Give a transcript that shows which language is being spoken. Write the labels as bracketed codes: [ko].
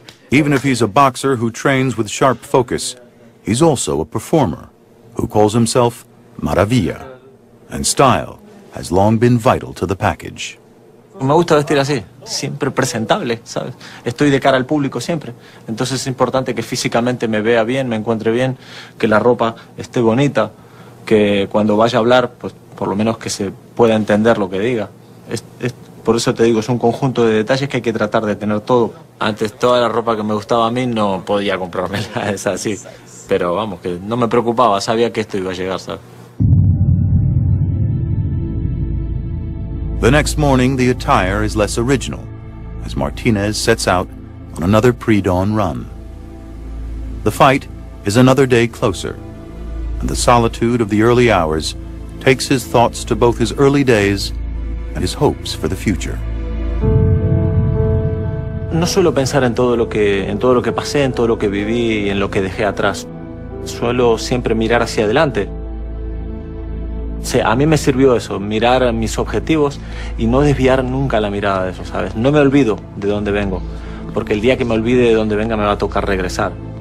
[en] Even if he's a boxer who trains with sharp focus, he's also a performer who calls himself Maravilla, and style has long been vital to the package. [es] Me gusta vestir así, siempre presentable, ¿sabes? Estoy de cara al público siempre. Entonces es importante que físicamente me vea bien, me encuentre bien, que la ropa esté bonita, que cuando vaya a hablar, pues por lo menos que se pueda entender lo que diga. Por eso te digo, es un conjunto de detalles que hay que tratar de tener todo. Antes toda la ropa que me gustaba a mí no podía comprármela, es así. Pero vamos, que no me preocupaba, sabía que esto iba a llegar, ¿sabes? [en] The next morning, the attire is less original, as Martinez sets out on another pre-dawn run. The fight is another day closer, and the solitude of the early hours takes his thoughts to both his early days and his hopes for the future. [es] No suelo pensar en todo lo que pasé, en todo lo que viví y en lo que dejé atrás. Suelo siempre mirar hacia adelante. Sí, a mí me sirvió eso, mirar mis objetivos y no desviar nunca la mirada de eso, ¿sabes? No me olvido de dónde vengo, porque el día que me olvide de dónde venga me va a tocar regresar.